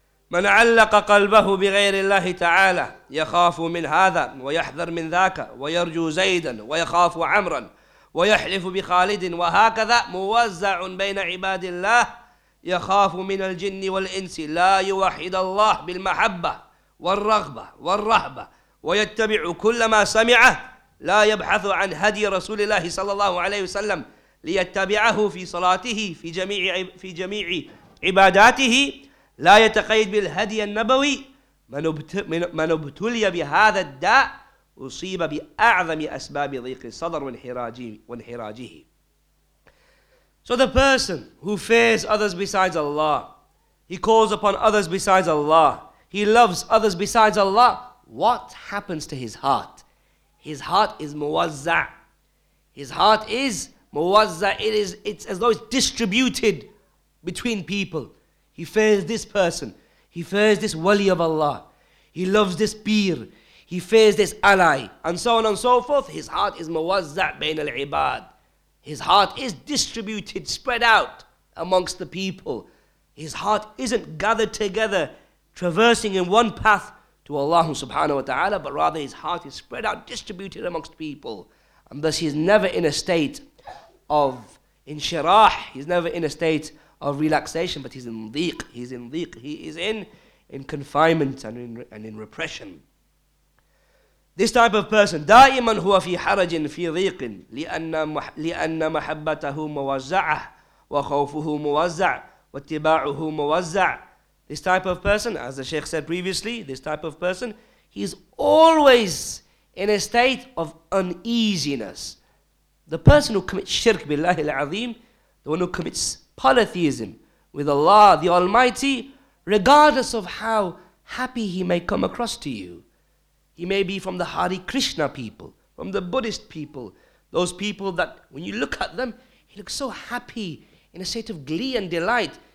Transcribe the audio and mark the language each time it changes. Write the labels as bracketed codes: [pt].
[ar] من علق قلبه بغير الله تعالى يخاف من هذا ويحذر من ذاك ويرجو زيدا ويخاف عمرا ويحلف بخالد وهكذا موزع بين عباد الله يخاف من الجن والإنس لا يوحد الله بالمحبة والرغبة والرهبة ويتبع كل ما سمعه لا يبحث عن هدي رسول الله صلى الله عليه وسلم ليتبعه في صلاته في جميع عباداته لا يتقيد بالهدي النبوي من ابتلي بهذا الداء أصيب بأعظم أسباب ضيق الصدر وانحراجه. [en] So the person who fears others besides Allah, he calls upon others besides Allah, he loves others besides Allah, what happens to his heart? His heart is muwazza. His heart is muwazza. It's as though it's distributed between people. He fears this person. He fears this wali of Allah. He loves this peer. He fears this ally. And so on and so forth. His heart is muwazza bayn al-ibad. His heart is distributed, spread out amongst the people. His heart isn't gathered together, traversing in one path to Allah subhanahu wa ta'ala, but rather his heart is spread out, distributed amongst people. And thus he's never in a state of inshirah, he's never in a state of relaxation, but he's in dhiq, he is in confinement and in repression. This type of person, [ar] دائماً هو في حرج في ضيق لأن محبته موزعة وخوفه موزع واتباعه موزع. [en] This type of person, as the Shaykh said previously, this type of person, he's always in a state of uneasiness. The person who commits shirk billahi al-azim, the one who commits polytheism with Allah, the Almighty, regardless of how happy he may come across to you, he may be from the Hare Krishna people, from the Buddhist people, those people that when you look at them, he looks so happy, in a state of glee and delight.